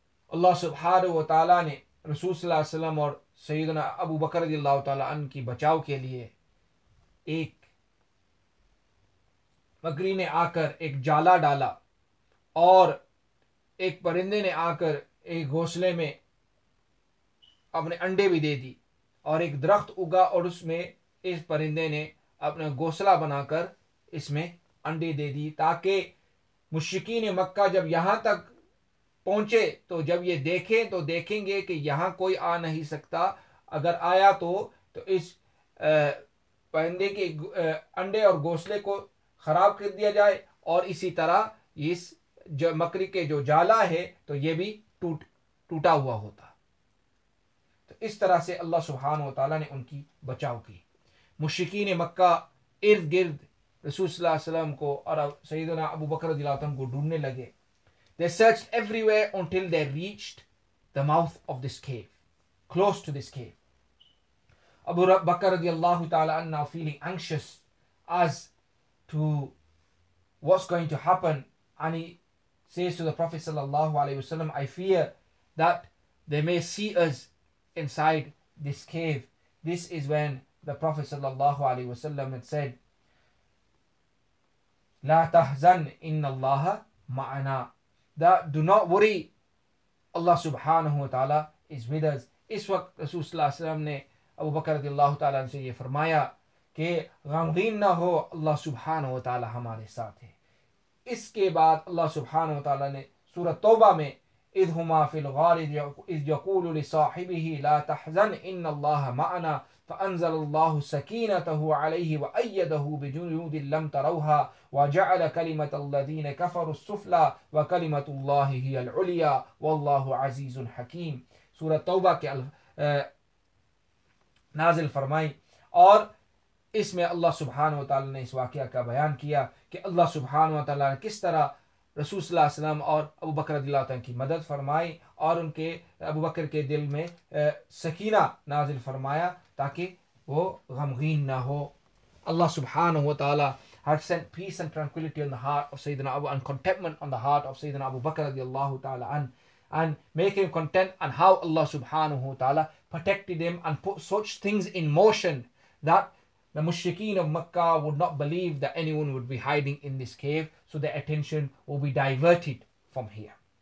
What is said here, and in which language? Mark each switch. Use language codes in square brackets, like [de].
[ur] Allah subhanahu wa ta'ala ne Rasul sallallahu alaihi wasallam aur Sayyidina Abu Bakr radhiyallahu ta'ala an ki bachao ke liye ek makri ne aakar ek jala dala اور ایک پرندے نے آ کر ایک گھونسلے میں اپنے انڈے بھی دے دی اور ایک درخت اگا اور اس میں اس پرندے نے اپنا گھونسلہ بنا کر اس میں انڈے دے دی تاکہ مشرکین مکہ جب یہاں تک پہنچے تو جب یہ دیکھیں تو دیکھیں گے کہ یہاں کوئی آ نہیں سکتا، اگر آیا تو اس پرندے کے انڈے اور گھونسلے کو خراب کر دیا جائے، اور اسی طرح اس مکڑی کے جو جالا ہے تو یہ بھی ٹوٹا ہوا ہوتا. تو اس طرح سے اللہ سبحانہ و تعالیٰ نے ان کی بچاؤ کی. مشرکین مکہ ارد گرد رسول صلی اللہ علیہ وسلم کو اور سیدنا ابو بکر رضی اللہ عنہ کو ڈھونڈنے لگے. [en] They searched everywhere until they reached the mouth of this cave, close to this cave. Abu Bakr radiallahu ta'ala and now feeling anxious as to what's going to happen. And he says to the Prophet sallallahu alayhi wa sallam, I fear that they may see us inside this cave. This is when the Prophet sallallahu alayhi wa sallam had said, [ar] لا تحزن إن الله معنا. [en] That do not worry, Allah subhanahu wa ta'ala is with us. [ur] اس وقت رسول صلی اللہ علیہ وسلم نے ابو بکر رضی اللہ تعالیٰ سے یہ فرمایا کہ غمگین نہ ہو، اللہ سبحانہ و تعالیٰ ہمارے ساتھ ہے. اس کے بعد اللہ سبحانہ و تعالیٰ نے سورۃ توبہ میں [ar] اذ ہما فی الغار اذ یقول لصاحبہ لا تحزن ان اللہ معنا فانزل اللہ سکینتہ علیہ وایدہ بجنود لم تروها وجعل کلمۃ الذین کفروا السفلی وکلمۃ اللہ ہی العلیا واللہ عزیز حکیم. [ur] سورۃ توبہ کے نازل فرمائی، اور اس میں اللہ سبحانہ و تعالیٰ نے اس واقعہ کا بیان کیا کہ اللہ سبحانہ و تعالیٰ نے کس طرح رسول صلی اللہ علیہ وسلم اور ابو بکر رضی اللہ عنہ کی مدد فرمائی، اور ان کے ابو بکر کے دل میں سکینہ نازل فرمایا تاکہ وہ غمگین نہ ہو. [en] اللہ سبحانہ و تعالیٰ had sent peace and tranquility on the heart of Sayyidina Abu and contentment on the heart of Sayyidina Abu Bakr رضی اللہ تعالیٰ عنہ and make him content on how Allah subhanahu wa ta'ala protected him and put such things in motion that the mushrikeen of Makkah would not believe that anyone would be hiding in this cave, so their attention will be diverted from here.